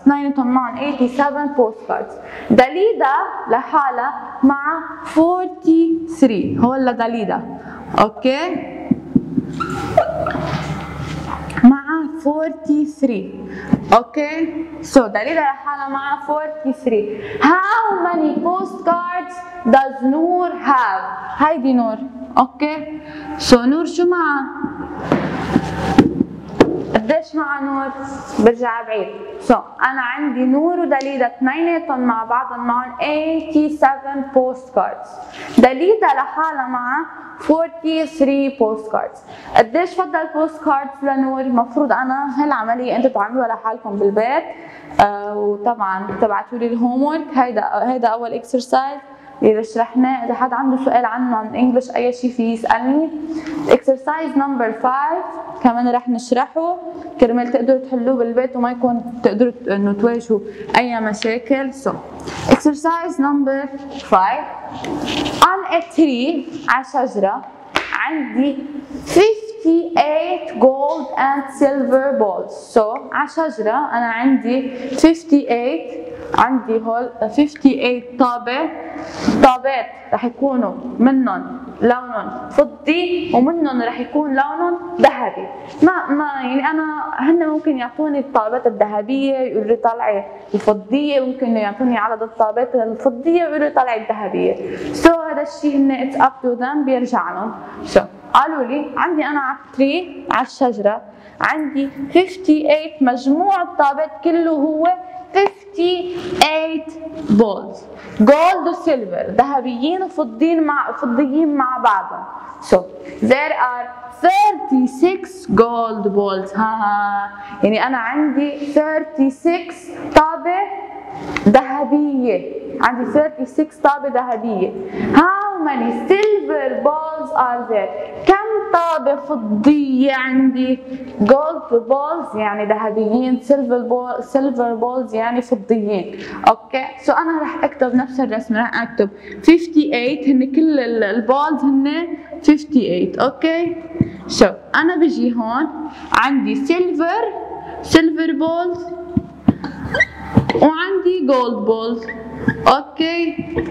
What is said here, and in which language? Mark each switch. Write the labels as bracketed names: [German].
[Arabic] اثنيناتهم معهم 87 postcards. داليدا لحالها مع 43. هول لداليدا اوكي مع 43 اوكي. سو داليدا لحالها مع 43. [English] How many postcards does Noor have؟ [Arabic] هيدي نور اوكي. سو نور شو معها؟ قديش مع نور؟ برجع بعيد. سو انا عندي نور وداليدا اثنيناتهم مع بعضهم معهم 87 postcards. داليدا لحالها مع 43 postcards. قديش فضل postcards لنور؟ المفروض انا هالعملية انتوا تعملوها لحالكم بالبيت، وطبعا تبعتوا لي الهوم ورك. هيدا اول اكسرسايز اللي شرحناه. اذا حد عنده سؤال عنه عن انجلش اي شيء فيه يسالني. اكسرسايز نمبر 5 كمان رح نشرحه كرمال تقدروا تحلوه بالبيت وما يكون تقدروا انه تواجهوا اي مشاكل. سو اكسرسايز نمبر 5 [English] on a tree [Arabic] على شجره عندي 58 [English] gold and silver balls. [Arabic] سو على شجره انا عندي 58، عندي هول 58 طابات رح يكونوا منهم لونهم فضي ومنهم رح يكون لونهم ذهبي. ما يعني انا هن ممكن يعطوني الطابات الذهبيه يقولوا لي طلعي الفضيه، ممكن يعطوني عدد الطابات الفضيه ويقولوا لي طلعي الذهبيه. سو هذا الشيء هن [English] it's up to them, [Arabic] بيرجع لهم. سو قالوا لي عندي انا على التري على الشجره عندي 58 مجموع الطابات كله هو 58 بولز جولد وسيلفر، ذهبيين وفضيين مع فضيين مع بعضهم. [English] So there are 36 gold balls. [Arabic] يعني انا عندي 36 طابة ذهبية، عندي 36 طابة ذهبية. [English] How many silver balls are there؟ [Arabic] كم طابة فضية عندي؟ gold balls يعني ذهبيين، silver balls يعني فضيين. اوكي سو انا رح اكتب نفس الرسمة، رح اكتب 58، هن كل البولز هن 58 اوكي. سو انا بجي هون عندي silver balls وعندي gold balls اوكي.